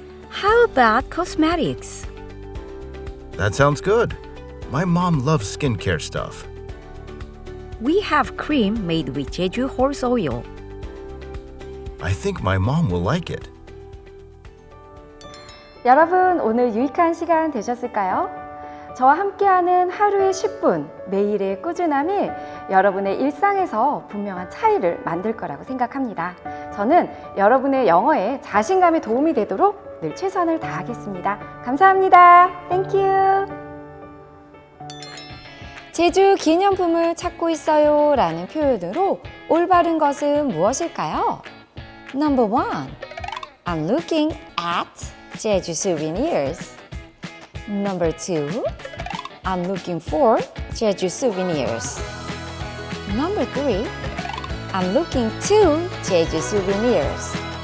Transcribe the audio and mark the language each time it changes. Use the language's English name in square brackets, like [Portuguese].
[English] How about cosmetics? That sounds good. My mom loves skincare stuff. We have cream made with Jeju horse oil. I think my mom will like it. [Korean] 여러분, 오늘 유익한 시간 되셨을까요? 저와 함께하는 하루의 10분, 매일의 꾸준함이 여러분의 일상에서 분명한 차이를 만들 거라고 생각합니다. 저는 여러분의 영어에 자신감에 도움이 되도록 늘 최선을 다하겠습니다. 감사합니다. [English] Thank you. [Korean] 제주 기념품을 찾고 있어요 라는 표현으로 올바른 것은 무엇일까요? [English] Number one, I'm looking at Jeju souvenirs. Number two, I'm looking for Jeju souvenirs. Number three, I'm looking to Jeju souvenirs.